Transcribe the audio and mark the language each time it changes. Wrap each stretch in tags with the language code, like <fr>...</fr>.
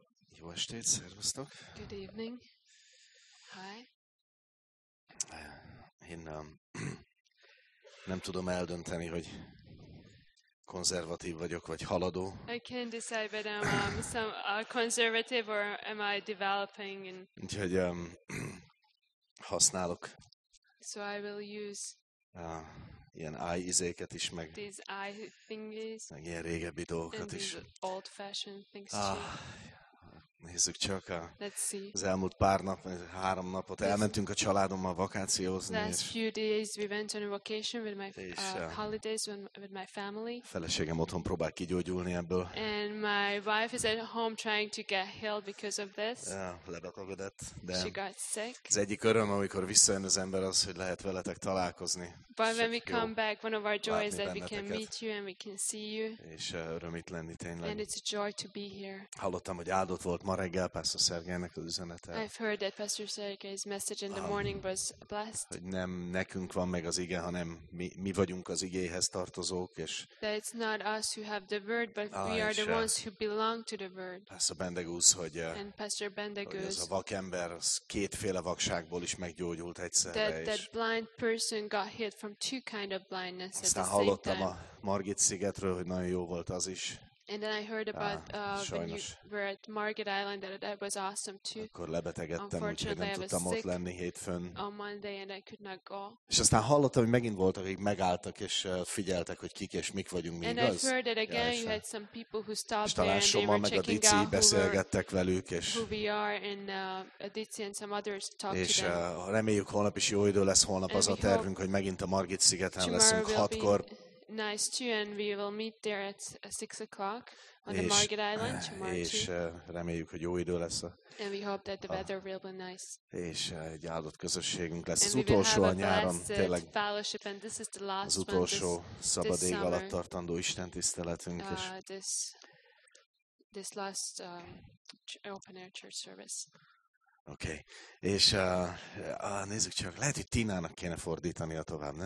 <hu>Jó estét, szervusztok.</hu> <en>Good evening. Hi.</en> <hu>Én nem tudom eldönteni, hogy konzervatív vagyok vagy haladó.</hu> <en>I can't decide whether I'm conservative or am I developing.</en> <hu>Úgyhogy használok.</hu> <en>So I will use</en> <hu>ilyen eye izéket is meg.</hu> <en>These eye thingies.</en> <hu>Meg ilyen régebbi dolgokat is.</hu> <en>Old fashioned things.</en> <hu>Nézzük csak a.</hu> <en>Let's see.</en> <hu>Az elmúlt pár nap, három napot elmentünk a családommal vakációzni.</hu> <en>Last few days we went on a vacation with my holidays with my family.</en> <hu>Feleségem otthon próbál kigyógyulni ebből.</hu> <en>And my wife is at home trying to get healed because of this.</en> <hu>Lebetegedett, de.</hu> <en>She got sick.</en> <hu>Az egyik öröm, amikor visszajön az ember, az, hogy lehet veletek találkozni.</hu> <en>But when we come back, one of our joys is that we can meet you and we can see you.</en> <hu>És öröm itt lenni tényleg.</hu> <en>And it's a joy to be here.</en> <hu>Hallottam, hogy áldott volt ma reggel Pásztor Szergeinek az üzenete.</hu> <en>I've heard that Pastor Sergei's message in the morning was blessed.</en> <hu>Hogy nem nekünk van meg az ige, hanem mi vagyunk az igéhez tartozók, és</hu> <en>that it's not us who have the word, but we are the ones who belong to the word.</en> <hu>Pastor Bendegúz, hogy ez a vakember kétféle vakságból is meggyógyult egyszerre.</hu> <en>That blind person got healed from two kind of blindness at the same time.</en> <hu>Aztán hallottam a Margit szigetről, hogy nagyon jó volt az is.</hu> <en>And then I heard about when you were at Margaret Island, that that was awesome too.</en> <hu>Akkor lebetegedtem, úgyhogy nem tudtam ott lenni hétfőn.</hu> <en>On Monday and I could not go.</en> <hu>És aztán hallottam, hogy megint voltak, akik megálltak és figyeltek, hogy kik és mik vagyunk mi, igaz?</hu> <en>And I heard that again you had some people who stopped there and they were checking out who</en> <hu>beszélgettek velük, és</hu> <en>who we are and Aditi and some others talked to them.</en> <hu>És reméljük, holnap is jó idő lesz, holnap az a tervünk, hogy megint a Margit szigeten leszünk hatkor.</hu> <en>Nice too, and we will meet there at 6 o'clock on the Margit Island tomorrow.</en> <hu>És reméljük, hogy jó idő lesz.</hu> <en>And we hope that the weather will be nice.</en> <hu>És egy áldott közösségünk lesz az utolsó a nyáron, tényleg.</hu> <en>And this is the last</en> <hu>az utolsó szabad ég alatt tartandó istentiszteletünk is.</hu> <en>This last open air church service. Oké. Okay.</en> <hu>És nézzük csak, lehet, hogy Tinának kéne fordítani a tovább, nem?</hu>